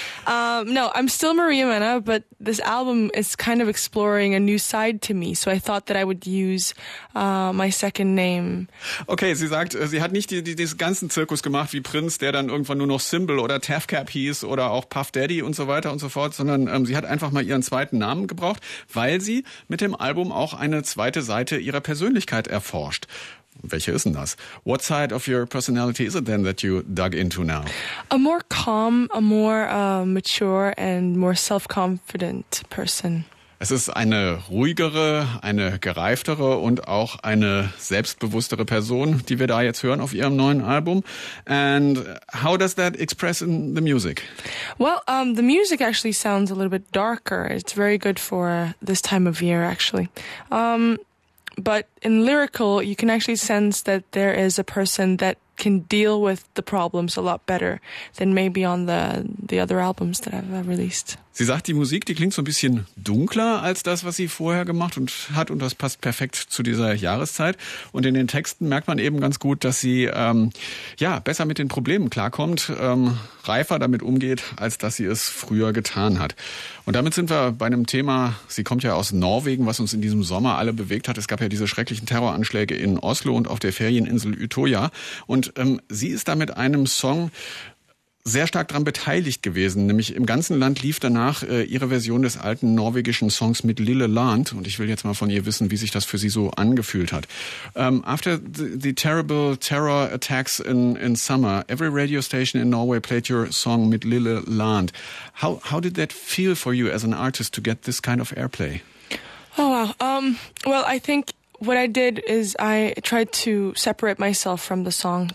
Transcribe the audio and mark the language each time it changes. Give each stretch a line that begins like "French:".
English: No, I'm still Maria Mena, but this album is kind of exploring a new side to me. So I thought that I would use my second name.
German: Okay, sie sagt, sie hat nicht diesen ganzen Zirkus gemacht wie Prince, der dann irgendwann nur noch Symbol oder Tafcap hieß oder auch Puff Daddy und so weiter und so fort, sondern sie hat einfach mal ihren zweiten Namen gebraucht, weil sie mit dem Album auch eine zweite Seite ihrer Persönlichkeit erforscht. Welche ist denn das?
English: What side of your personality is it then that you dug into now? A more calm, a more mature and more self-confident person.
German: Es ist eine ruhigere, eine gereiftere und auch eine selbstbewusstere Person, die wir da jetzt hören auf ihrem neuen Album.
English: And how does that express in the music? Well, the music actually sounds a little bit darker. It's very good for this time of year, actually. But in lyrical, you can actually sense that there is a person that can deal with the problems a lot better than maybe on the other albums that I've released.
German: Sie sagt, die Musik, die klingt so ein bisschen dunkler als das, was sie vorher gemacht und hat, und das passt perfekt zu dieser Jahreszeit. Und in den Texten merkt man eben ganz gut, dass sie ja besser mit den Problemen klarkommt, reifer damit umgeht, als dass sie es früher getan hat. Und damit sind wir bei einem Thema, sie kommt ja aus Norwegen, was uns in diesem Sommer alle bewegt hat. Es gab ja diese schrecklichen Terroranschläge in Oslo und auf der Ferieninsel Utøya. Und sie ist da mit einem Song sehr stark daran beteiligt gewesen. Nämlich im ganzen Land lief danach ihre Version des alten norwegischen Songs mit Lille Land. Und ich will jetzt mal von ihr wissen, wie sich das für sie so angefühlt hat.
English: After the terrible terror attacks in summer, every radio station in Norway played your song mit Lille Land. How did that feel for you as an artist to get this kind of airplay? Oh, wow. Well, I think what I did is I tried to separate myself from the song.